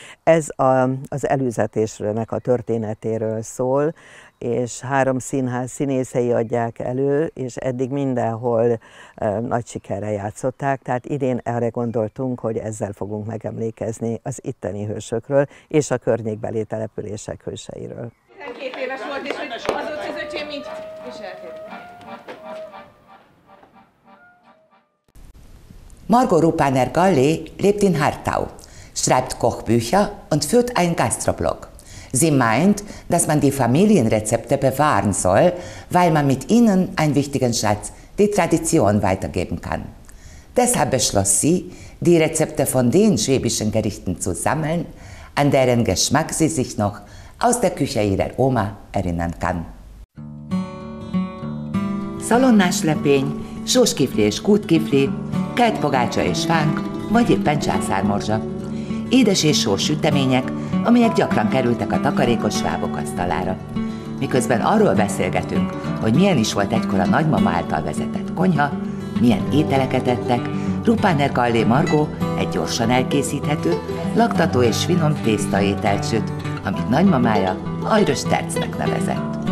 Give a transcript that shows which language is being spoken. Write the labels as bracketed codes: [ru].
[hu] Ez az előzetésnek a történetéről szól, és három színház színészei adják elő, és eddig mindenhol nagy sikerre játszották, tehát idén erre gondoltunk, hogy ezzel fogunk megemlékezni az itteni hősökről és a környékbeli települések hőseiről. 12 éves volt, és az ott az öcsém így viselkedik. [de] Margot Rupaner-Galli lebt in Hartau, schreibt Kochbücher und führt einen Gastroblog. Sie meint, dass man die Familienrezepte bewahren soll, weil man mit ihnen einen wichtigen Schatz, die Tradition, weitergeben kann. Deshalb beschloss sie, die Rezepte von den schwäbischen Gerichten zu sammeln, an deren Geschmack sie sich noch aus der Küche ihrer Oma erinnern kann. [hu] Szalonnás lepény, sóskifli és kútkifli, kertpogácsa és fánk, vagy éppen császármorzsa. Édes és sós sütemények, amelyek gyakran kerültek a takarékos svábok asztalára. Miközben arról beszélgetünk, hogy milyen is volt egykor a nagymama által vezetett konyha, milyen ételeket ettek, Rupaner Galli Margot egy gyorsan elkészíthető, laktató és finom tészta ételt süt, amit nagymamája Ajrös Tercnek nevezett.